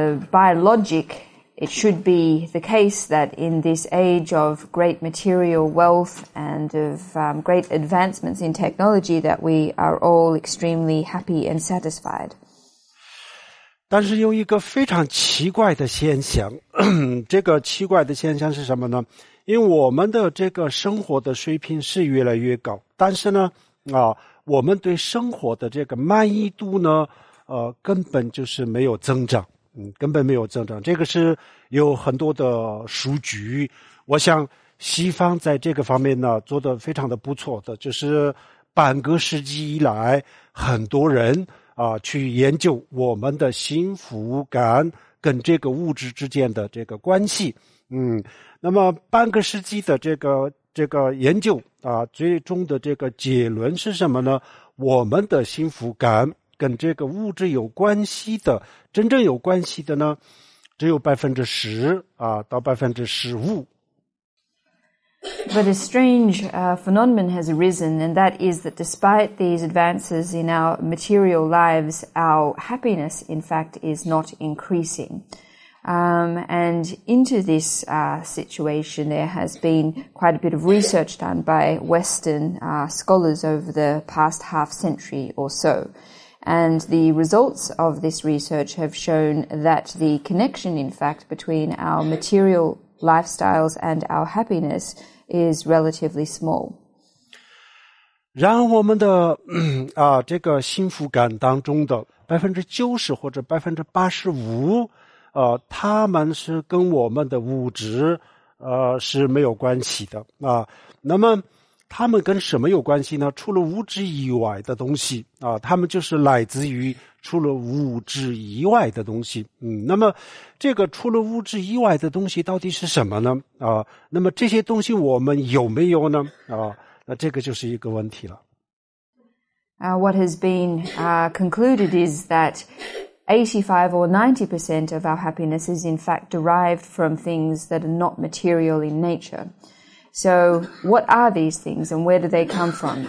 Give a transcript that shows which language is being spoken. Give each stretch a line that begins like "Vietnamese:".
English: By logic, it should be the case that in this age of great material wealth and of great advancements in technology that we are all extremely happy and satisfied.
Chinese: 但是有一个非常奇怪的现象，这个奇怪的现象是什么呢？因为我们的这个生活的水平是越来越高，但是呢，我们对生活的这个满意度呢，根本就是没有增长。根本没有增长，这个是有很多的数据。我想西方在这个方面呢做得非常的不错的，就是半个世纪以来，很多人去研究我们的幸福感跟这个物质之间的这个关系。那么半个世纪的这个研究最终的这个结论是什么呢？我们的幸福感跟这个物质有关系的，真正有关系的呢，只有10%到15%。
English: But a strange phenomenon has arisen, and that is that despite these advances in our material lives, our happiness, in fact, is not increasing. And into this situation, there has been quite a bit of research done by Western scholars over the past half century or so. And the results of this research have shown that the connection, in fact, between our material lifestyles and our happiness is relatively small.
Chinese: 然后我们的这个幸福感当中的 90% 或者 85% 他们是跟我们的物质是没有关系的，那么他们跟什么有关系呢？除了物质以外的东西，他们就是来自于除了物质以外的东西。那么这个除了物质以外的东西到底是什么呢？那么这些东西我们有没有呢？那这个就是一个问题了。
English: What has been concluded is that 85% or 90% of our happiness is in fact derived from things that are not material in nature. So what are these things and where do they come from?